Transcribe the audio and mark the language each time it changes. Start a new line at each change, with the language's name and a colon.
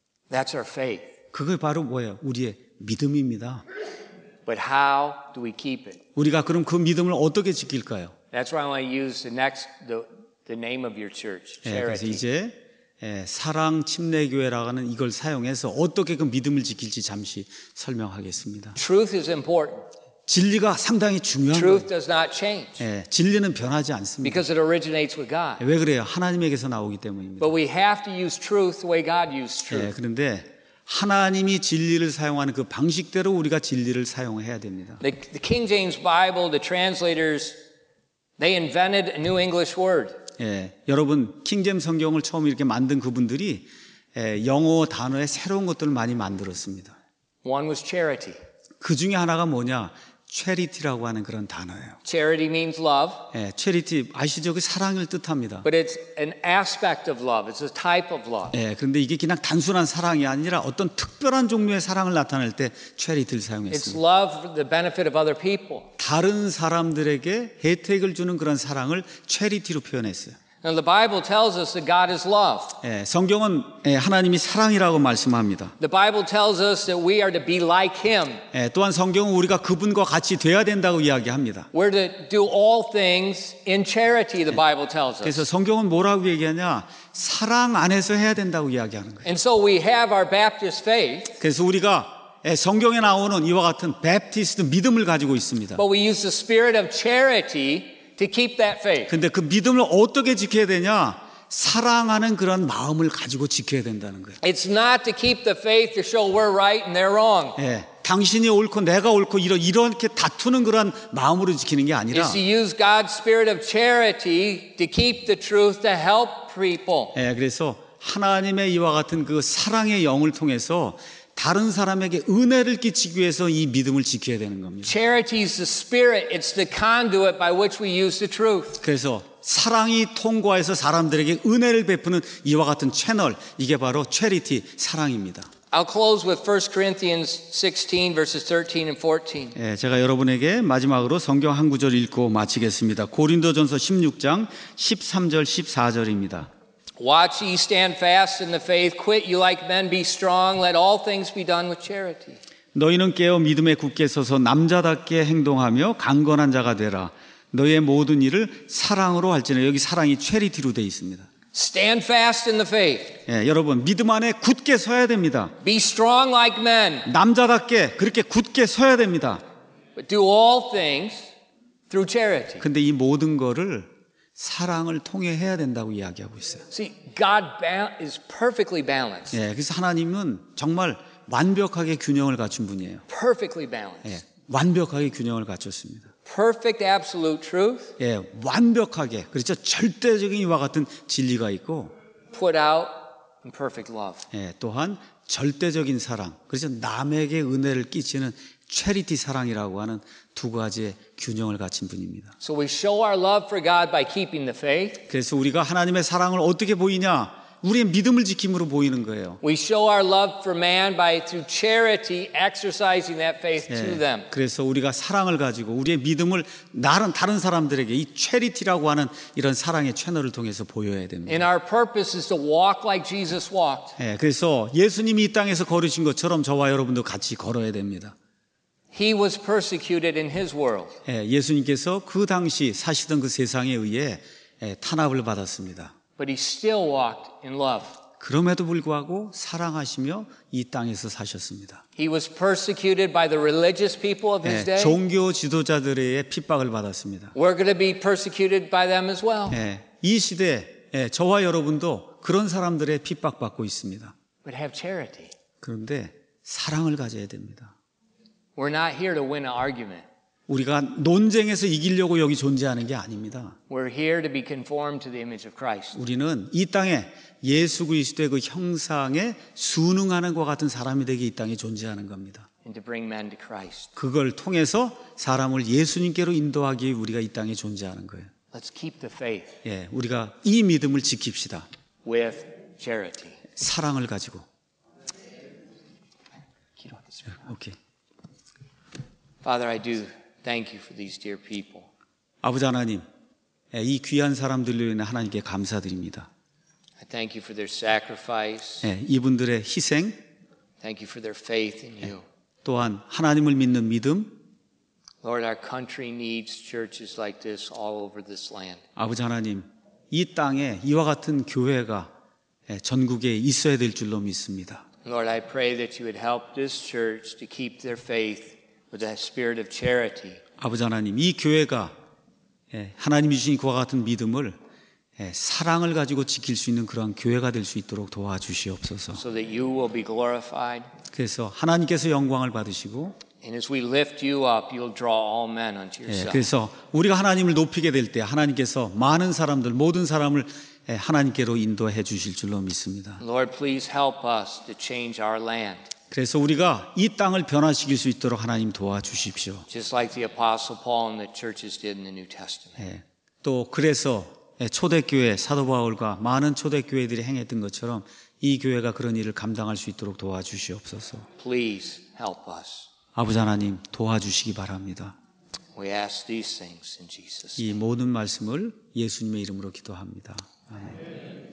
English: That's our faith.
Korean: 그게 바로 뭐예요? 우리의 믿음입니다.
English: But how do we keep it?
Korean: 우리가 그럼 그 믿음을 어떻게 지킬까요?
English: That's why I want to use the next the name of your church, charity.
Korean: 예, 그래서 이제 예, 사랑 침례교회라는 이걸 사용해서 어떻게 그 믿음을 지킬지 잠시 설명하겠습니다.
English: Truth is important.
Korean: 진리가 상당히 중요한
English: Truth
Korean: 거예요.
English: does not change.
Korean: 예, 진리는 변하지 않습니다.
English: Because it originates with God.
Korean: 왜 그래요? 하나님에게서 나오기 때문입니다.
English: But we have to use truth the way God used truth.
Korean: 예, 그런데 하나님이 진리를 사용하는 그 방식대로 우리가 진리를 사용해야 됩니다.
English: The King James Bible, the translators, they invented a new English word.
Korean: 예, 여러분 킹제임스 성경을 처음 이렇게 만든 그분들이 예, 영어 단어에 새로운 것들을 많이 만들었습니다.
English: One was charity.
Korean: 그 중에 하나가 뭐냐? charity라고 하는 그런 단어예요.
English: Charity means love.
Korean: 예, charity 아시죠? 그 사랑을 뜻합니다.
English: But it's an aspect of love. It's a type of love.
Korean: 예, 그런데 이게 그냥 단순한 사랑이 아니라 어떤 특별한 종류의 사랑을 나타낼 때 charity를 사용했습니다.
English: It's love for the benefit of other people.
Korean: 다른 사람들에게 혜택을 주는 그런 사랑을 charity로 표현했어요.
English: Now the Bible tells us that God is love.
Korean: 예, 성경은 예, 하나님이 사랑이라고 말씀합니다.
English: The Bible tells us that we are to be like Him.
Korean: 예, 또한 성경은 우리가 그분과 같이 되어야 된다고 이야기합니다.
English: We're to do all things in charity. The Bible tells us.
Korean: 그래서 성경은 뭐라고 얘기하냐? 사랑 안에서 해야 된다고 이야기하는 거예요.
English: And so we have our Baptist faith.
Korean: 그래서 우리가 예, 성경에 나오는 이와 같은 Baptist 믿음을 가지고 있습니다.
English: But we use the spirit of charity. To keep that faith.
Korean: 근데 그 믿음을 어떻게 지켜야 되냐? 사랑하는 그런 마음을 가지고 지켜야 된다는 거예요.
English: It's not to keep the faith to show we're right and they're wrong.
Korean: 예, 당신이 옳고 내가 옳고 이렇게 다투는 그런 마음으로 지키는 게 아니라.
English: It's to use God's spirit of charity to keep the truth to help people.
Korean: 예, 그래서 하나님의 이와 같은 그 사랑의 영을 통해서 다른 사람에게 은혜를 끼치기 위해서 이 믿음을 지켜야 되는 겁니다.
English: Charity is the spirit. It's the conduit by which we use the truth.
Korean: 그래서 사랑이 통과해서 사람들에게 은혜를 베푸는 이와 같은 채널 이게 바로 charity 사랑입니다.
English: I'll close with 1 Corinthians 16 verses 13 and 14.
Korean: 예, 제가 여러분에게 마지막으로 성경 한 구절 읽고 마치겠습니다. 고린도전서 16장 13절 14절입니다.
English: Watch ye stand fast in the faith. Quit you like men. Be strong. Let all things be done with charity.
Korean: 너희는 깨어 믿음에 굳게 서서 남자답게 행동하며 강건한 자가 되라. 너희의 모든 일을 사랑으로 할지니라. 여기 사랑이 charity로 되어 있습니다.
English: Stand fast in the faith.
Korean: 예, 여러분 믿음 안에 굳게 서야 됩니다.
English: Be strong like men.
Korean: 남자답게 그렇게 굳게 서야 됩니다.
English: But do all things through charity.
Korean: 근데 이 모든 거를 사랑을 통해 해야 된다고 이야기하고 있어요.
English: See, God is perfectly balanced.
Korean: 예, 그래서 하나님은 정말 완벽하게 균형을 갖춘 분이에요.
English: Perfectly balanced.
Korean: 예, 완벽하게 균형을 갖췄습니다.
English: Perfect absolute truth.
Korean: 예, 완벽하게 그렇죠. 절대적인 이와 같은 진리가 있고.
English: Put out in perfect love.
Korean: 예, 또한 절대적인 사랑 그렇죠. 남에게 은혜를 끼치는 charity 사랑이라고 하는 두 가지의 균형을 갖춘 분입니다.
English: So we show our love for God by keeping the faith.
Korean: 그래서 우리가 하나님의 사랑을 어떻게 보이냐? 우리의 믿음을 지킴으로 보이는 거예요.
English: We show our love for man by through charity exercising that faith
Korean: 예,
English: to them.
Korean: 그래서 우리가 사랑을 가지고 우리의 믿음을 다른 사람들에게 이 charity라고 하는 이런 사랑의 채널을 통해서 보여야 됩니다.
English: And our purpose is to walk like Jesus walked.
Korean: 예, 그래서 예수님이 이 땅에서 걸으신 것처럼 저와 여러분도 같이 걸어야 됩니다.
English: He was persecuted in his world.
Korean: 예, 예수님께서 그 당시 사시던 그 세상에 의해 예, 탄압을 받았습니다.
English: But he still walked in love.
Korean: 그럼에도 불구하고 사랑하시며 이 땅에서 사셨습니다.
English: He was persecuted by the religious people of his day.
Korean: 종교 지도자들의 핍박을 받았습니다.
English: We're going to be persecuted by them as well.
Korean: 예, 이 시대에 예, 저와 여러분도 그런 사람들의 핍박받고 있습니다.
English: But have charity.
Korean: 그런데 사랑을 가져야 됩니다.
English: We're not here to win an argument.
Korean: 우리가 논쟁에서 이기려고 여기 존재하는 게 아닙니다.
English: We're here to be conformed to the image of Christ.
Korean: 우리는 이 땅에 예수 그리스도의 그 형상에 순응하는 것 같은 사람이 되기 이 땅에 존재하는 겁니다.
English: And to bring man to Christ.
Korean: 그걸 통해서 사람을 예수님께로 인도하기 위해 우리가 이 땅에 존재하는 거예요.
English: Let's keep the faith.
Korean: 예, 우리가 이 믿음을 지킵시다.
English: With charity.
Korean: 사랑을 가지고. 기도하겠습니다. 예, 오케이.
English: Father, I do thank you for these dear people.
Korean: 아버지 하나님, 이 귀한 사람들로 인해 하나님께 감사드립니다.
English: I thank you for their sacrifice.
Korean: 예, 이분들의 희생.
English: Thank you for their faith in you.
Korean: 또한 하나님을 믿는 믿음.
English: Lord, our country needs churches like this all over this land.
Korean: 아버지 하나님, 이 땅에 이와 같은 교회가 전국에 있어야 될 줄로 믿습니다.
English: Lord, I pray that you would help this church to keep their faith with that spirit of charity.
Korean: 아버지 하나님, 이 교회가 하나님이 주신 그와 같은 믿음을 사랑을 가지고 지킬 수 있는 그런 교회가 될 수 있도록 도와주시옵소서.
English: So that you will be glorified.
Korean: 그래서 하나님께서 영광을 받으시고.
English: And as we lift you up, you'll draw all men unto yourself.
Korean: 그래서 우리가 하나님을 높이게 될 때 하나님께서 많은 사람들, 모든 사람을 하나님께로 인도해 주실 줄로 믿습니다.
English: Lord, please help us to change our land.
Korean: 그래서 우리가 이 땅을 변화시킬 수 있도록 하나님 도와주십시오.
English: Just like the Apostle Paul and the churches did in the New Testament.
Korean: 또 그래서 초대교회 사도 바울과 많은 초대교회들이 행했던 것처럼 이 교회가 그런 일을 감당할 수 있도록 도와주시옵소서.
English: Please help us.
Korean: 아버지 하나님 도와주시기 바랍니다.
English: We ask these things in Jesus' name.
Korean: 이 모든 말씀을 예수님의 이름으로 기도합니다. 아멘.